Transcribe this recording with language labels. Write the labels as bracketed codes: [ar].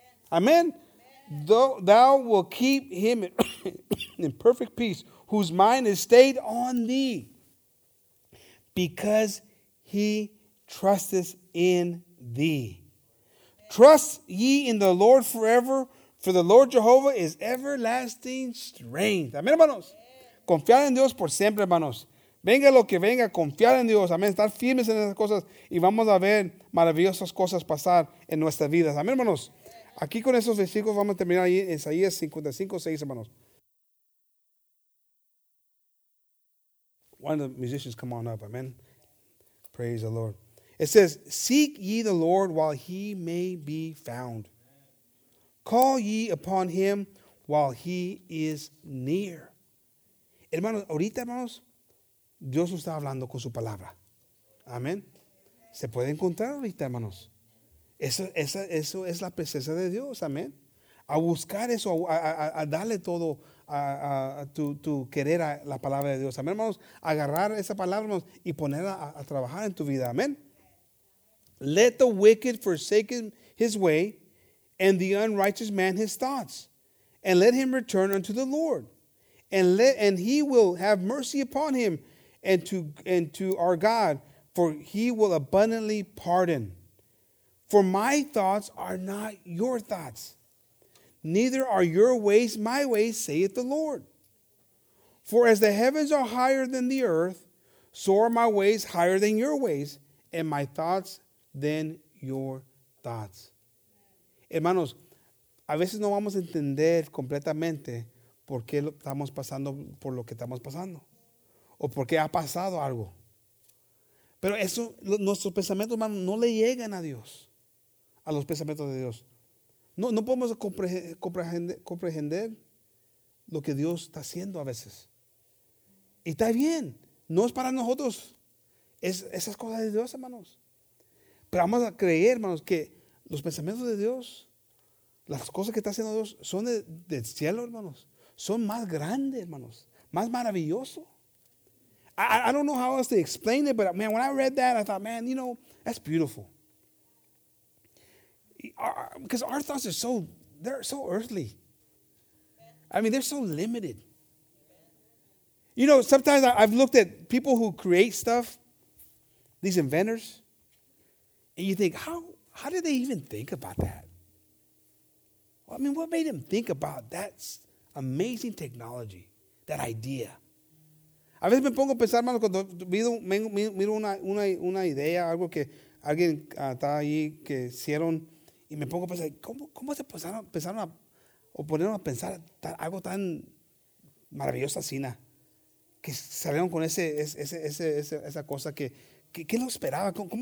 [en] Amen. Thou will keep him in perfect peace, whose mind is stayed on thee, because he trusteth in thee. Trust ye in the Lord forever, for the Lord Jehovah is everlasting strength. [es] Amén, hermanos. Confiar en Dios por siempre, hermanos. Venga lo que venga, confiar en Dios. Amén. Estar firmes en esas cosas y vamos a ver maravillosas cosas pasar en nuestras vidas. Amén, hermanos. Aquí con esos versículos vamos a terminar ahí en Isaías 55:6, hermanos. [en] One of the musicians come on up. Amen. Praise the Lord. It says, seek ye the Lord while he may be found. Call ye upon him while he is near. [es] Hermanos, ahorita, hermanos, Dios está hablando con su palabra. Amén. Se puede encontrar ahorita, hermanos. Eso es la presencia de Dios. Amén. A buscar eso, a darle todo a tu querer a la palabra de Dios. Amén, hermanos. Agarrar esa palabra, hermanos, y ponerla a trabajar en tu vida. Amén. [en] Let the wicked forsake his way, and the unrighteous man his thoughts, and let him return unto the Lord, and he will have mercy upon him, and to our God, for he will abundantly pardon. For my thoughts are not your thoughts, neither are your ways my ways, saith the Lord. For as the heavens are higher than the earth, so are my ways higher than your ways, and my thoughts than your thoughts. [es] Hermanos, a veces no vamos a entender completamente por qué estamos pasando por lo que estamos pasando o por qué ha pasado algo. Pero eso, nuestros pensamientos, hermanos, no le llegan a Dios, a los pensamientos de Dios. No podemos comprender lo que Dios está haciendo a veces. Y está bien, no es para nosotros. Esas cosas de Dios, hermanos. Pero vamos a creer, hermanos, que los pensamientos de Dios, las cosas que está haciendo Dios, son del cielo, hermanos. Son más grandes, hermanos. Más maravilloso. [en] I don't know how else to explain it, but man, when I read that, I thought, man, you know, that's beautiful. Because our thoughts are so earthly. I mean, they're so limited. You know, sometimes I've looked at people who create stuff, these inventors. And you think, how did they even think about that? Well, I mean, what made them think about that amazing technology, that idea? [es] A veces me pongo a pensar, hermano, cuando miro una idea, algo que alguien está ahí que hicieron, y me pongo a pensar, ¿cómo se pensaron o ponieron a pensar algo tan maravilloso así, que salieron con esa cosa que... ¿Qué lo esperaba?